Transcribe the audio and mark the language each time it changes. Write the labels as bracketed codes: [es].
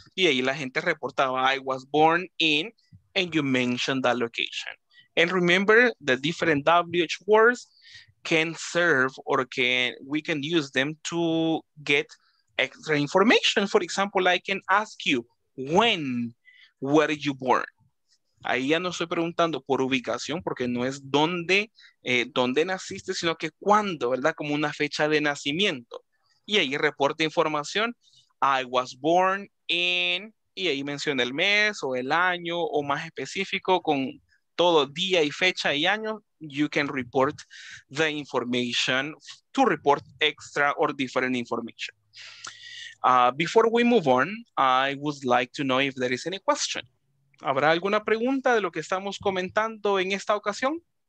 [es] Y ahí la gente reportaba, [en] I was born in, and you mentioned that location. And remember, the different WH words can serve or can we can use them to get extra information. For example, I can ask you, when were you born? [es] Ahí ya no estoy preguntando por ubicación, porque no es dónde naciste, sino que cuándo, ¿verdad? Como una fecha de nacimiento. Y ahí reporta información, [en] I was born in, [es] y ahí menciona el mes o el año o más específico con todo día y fecha y año, [en] you can report the information to report extra or different information. Before we move on, I would like to know if there is any question. [es] ¿Habrá alguna pregunta de lo que estamos comentando en esta ocasión?